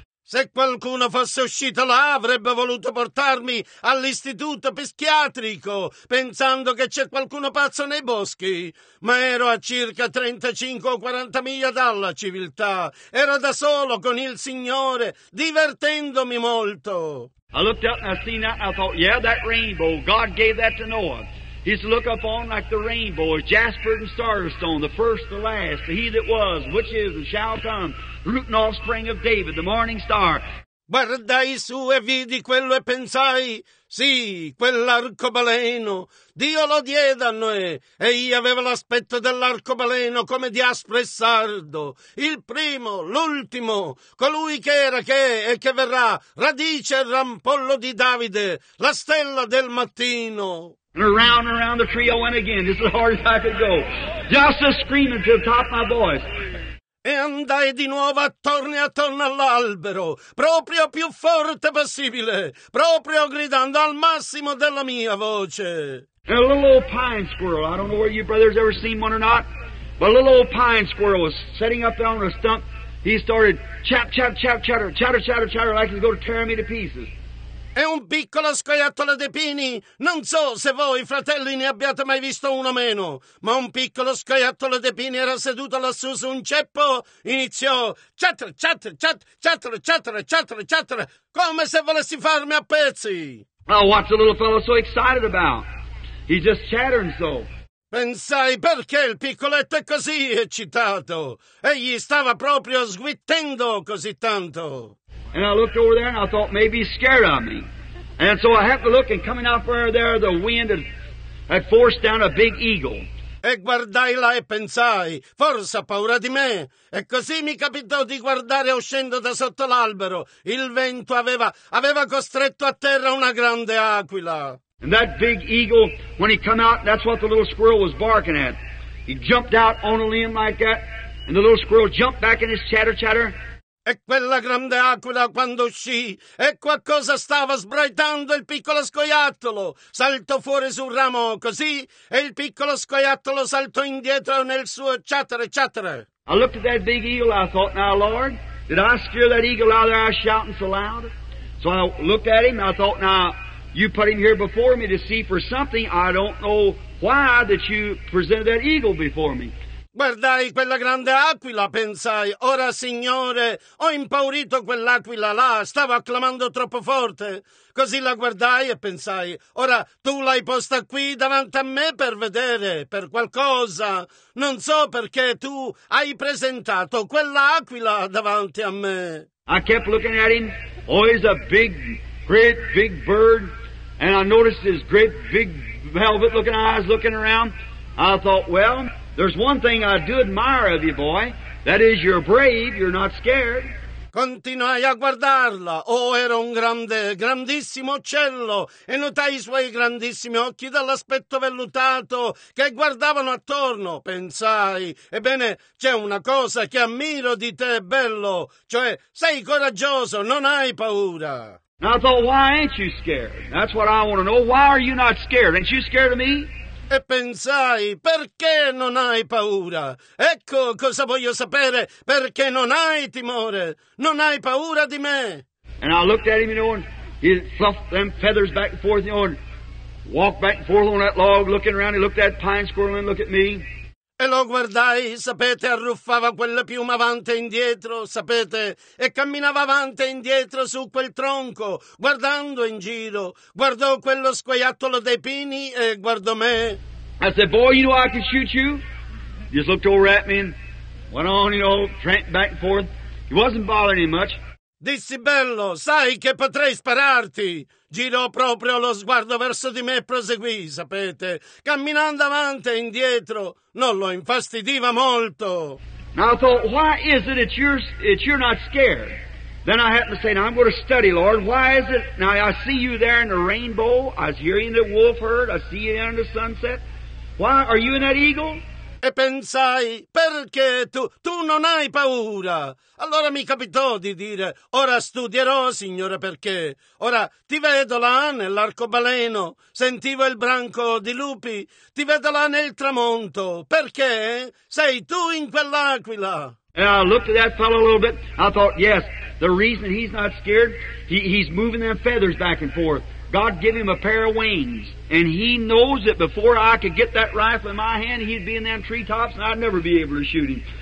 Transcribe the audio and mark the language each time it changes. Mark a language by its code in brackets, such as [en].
[it] Se qualcuno fosse uscito là, avrebbe voluto portarmi all'istituto psichiatrico, pensando che c'è qualcuno pazzo nei boschi. Ma ero a circa 35 o 40 miglia dalla civiltà. Ero da solo con il Signore, divertendomi molto. [en] I looked up and I seen that and I thought, yeah, that rainbow, God gave that to Noah. He's to look up on like the rainbow, jasper and star stone, the first, the last, the he that was, which is and shall come, root and offspring of David, the morning star. [it] guardai su e vidi quello e pensai, sì, quell'arcobaleno, Dio lo diede a Noè, e io avevo l'aspetto dell'arcobaleno come di aspro e sardo, il primo, l'ultimo, colui che era, che è e che verrà, radice e rampollo di Davide, la stella del mattino. [en] And around the tree I went again, just as hard as I could go, just a screaming to the top of my voice. [it] E andai di nuovo attorno e attorno all'albero, proprio più forte possibile, proprio gridando al massimo della mia voce. [en] And a little old pine squirrel, I don't know whether you brothers ever seen one or not, but a little old pine squirrel was sitting up there on a stump. He started chap, chap, chap, chatter, chatter, chatter, chatter, like he's going to tear me to pieces. [it] È un piccolo scoiattolo dei pini, non so se voi, fratelli, ne abbiate mai visto uno meno, ma un piccolo scoiattolo dei pini era seduto lassù su un ceppo, iniziò chatter, chatter, chatter, chatter, chatter, chatter, chatter, come se volessi farmi a pezzi. [en] Well, what's the little fellow so excited about? He's just chattering so. [it] Pensai, perché il piccoletto è così eccitato? Egli stava proprio sguittendo così tanto. [en] And I looked over there and I thought maybe he's scared of me. And so I happened to look and coming out from there, the wind had forced down a big eagle. [it] E guardai là e pensai, forse ha paura di me. E così mi capitò di guardare uscendo da sotto l'albero. Il vento aveva costretto a terra una grande aquila. [en] And that big eagle, when he come out, that's what the little squirrel was barking at. He jumped out on a limb like that, and the little squirrel jumped back in his chatter chatter. [it] E quella grande aquila quando uscì, ecco a cosa stava sbraitando il piccolo scoiattolo. Saltò fuori su un ramo così, e il piccolo scoiattolo saltò indietro nel suo chatter chatter. [en] I looked at that big eagle, I thought, now Lord, did I scare that eagle out there shouting so loud? So I looked at him, I thought, now you put him here before me to see for something, I don't know why that you presented that eagle before me. [it] Guardai quella grande aquila, pensai, ora Signore, ho impaurito quell'aquila là, stava acclamando troppo forte. Così la guardai e pensai, ora tu l'hai posta qui davanti a me per vedere, per qualcosa. Non so perché tu hai presentato quell'aquila davanti a me. [en] I kept looking at him, always a big, great, big bird, and I noticed his great, big, velvet-looking eyes looking around. I thought, well, there's one thing I do admire of you, boy. That is, you're brave, you're not scared. [it] Continuai a guardarla. Oh, era un grande, grandissimo uccello. E notai i suoi grandissimi occhi dall'aspetto vellutato che guardavano attorno. Pensai, ebbene, c'è una cosa che ammiro di te, bello. Cioè, sei coraggioso, non hai paura. [en] Now I thought, why ain't you scared? That's what I want to know. Why are you not scared? Ain't you scared of me? [it] E pensai, perché non hai paura? Ecco cosa voglio sapere, perché non hai timore, non hai paura di me. [en] And I looked at him, you know, and he fluffed them feathers back and forth, you know, and walked back and forth on that log, looking around, he looked at that pine squirrel and looked at me. [it] E lo guardai, sapete, arruffava quella piuma avanti e indietro, sapete, e camminava avanti e indietro su quel tronco, guardando in giro, guardò quello scoiattolo dei pini e guardò me. [en] I said, boy, you know I could shoot you? He just looked over at me and went on, you know, tramped back and forth. He wasn't bothering him much. [it] Dissi, bello, sai che potrei spararti. Girò proprio lo sguardo verso di me e proseguì, sapete, camminando avanti e indietro. Non lo infastidiva molto. [en] Now I thought, why is it that you're not scared? Then I happened to say, now I'm going to study, Lord. Why is it? Now I see you there in the rainbow. I hear you in the wolf herd. I see you there in the sunset. Why are you in that eagle? [it] E pensai, perché tu non hai paura? Allora mi capitò di dire, ora studierò, Signore, perché. Ora ti vedo là nell'arcobaleno, sentivo il branco di lupi, ti vedo là nel tramonto, perché sei tu in quell'aquila. [en] And I looked at that fellow a little bit, I thought, yes, the reason he's not scared, he's moving them feathers back and forth. God give him a pair of wings. And he knows that before I could get that rifle in my hand, he'd be in them treetops and I'd never be able to shoot him.